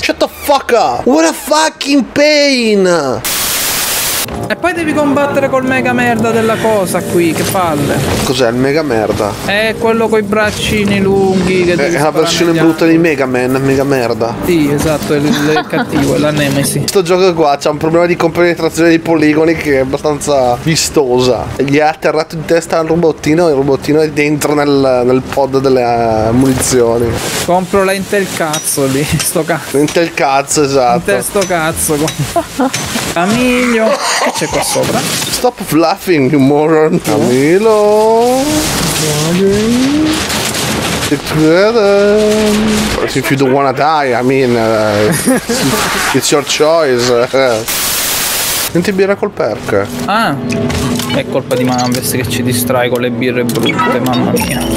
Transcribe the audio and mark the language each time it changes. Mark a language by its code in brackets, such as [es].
[en] Shut the fuck up! What a fucking pain! [it] E poi devi combattere col mega merda della cosa qui, che palle. Cos'è il mega merda? È quello coi braccini lunghi che è la versione brutta di Mega Man, mega merda. Sì, esatto, è il cattivo, è la Nemesi. Questo gioco qua c'ha un problema di compenetrazione dei poligoni che è abbastanza vistosa. Gli ha atterrato in testa al robottino e il robottino è dentro nel pod delle munizioni. Compro la Intel cazzo lì, sto cazzo. Intel cazzo, esatto. Intel sto cazzo. Camillo, che c'è qua sopra? [en] Stop fluffing, you moron. Camillo. Together. If you don't wanna die, I mean, it's your choice. [it] Senti birra col perk. Ah, è colpa di Mambes che ci distrae con le birre brutte, mamma mia.